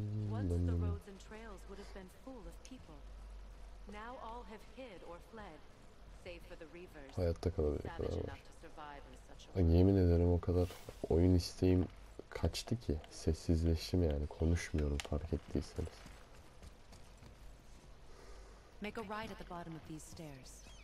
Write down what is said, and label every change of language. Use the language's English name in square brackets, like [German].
[English] Once the roads and trails would have been full of people. Now all have hid or fled, save for the reavers. [Turkish] Hayatta kalabilecek kadar var. Yemin ederim o kadar oyun isteğim kaçtı ki sessizleştim yani konuşmuyorum fark ettiyseniz. [English] Make a right at the bottom of these stairs.